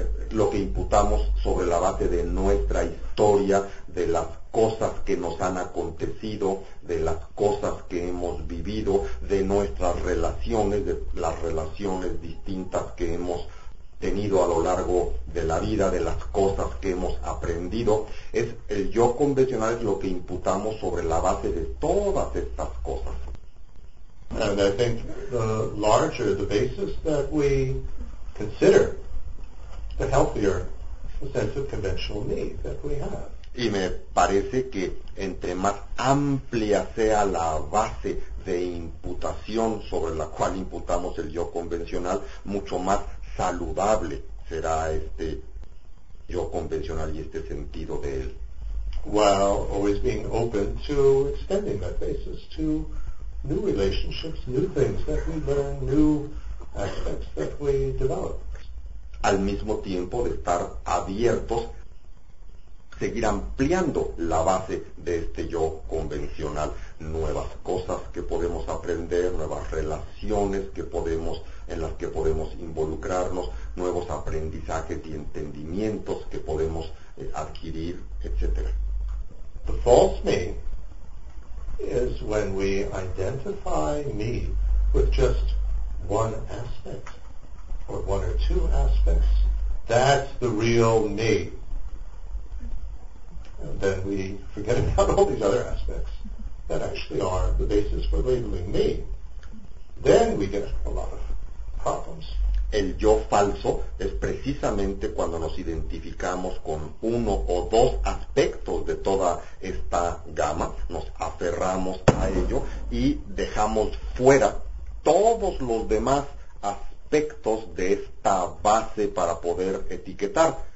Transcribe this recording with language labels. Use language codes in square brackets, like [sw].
[es] lo que imputamos sobre la base de nuestra historia, de las cosas que nos han acontecido, de las cosas que hemos vivido, de nuestras relaciones, de las relaciones distintas que hemos tenido a lo largo de la vida, de las cosas que hemos aprendido. Es el yo convencional es lo que imputamos sobre la base de todas estas cosas. [en] And I think the larger the basis that we consider, the healthier the sense of conventional me that we have. [es] Y me parece que entre más amplia sea la base de imputación sobre la cual imputamos el yo convencional, mucho más saludable será este yo convencional y este sentido de él. [en] While always being open to extending that basis to new relationships, new things that we learn, new aspects that we develop. [es] Al mismo tiempo de estar abiertos, seguir ampliando la base de este yo convencional, nuevas cosas que podemos aprender, nuevas relaciones que podemos en las que podemos involucrarnos, nuevos aprendizajes y entendimientos que podemos adquirir, etc. [en] The false me is when we identify me with just one aspect or one or two aspects. That's the real me. And then we forget about all these other aspects that actually are the basis for labeling me. Then we get a lot of problems. [es] El yo falso es precisamente cuando nos identificamos con uno o dos aspectos de toda esta gama, nos aferramos a ello y dejamos fuera todos los demás aspectos de esta base para poder etiquetar.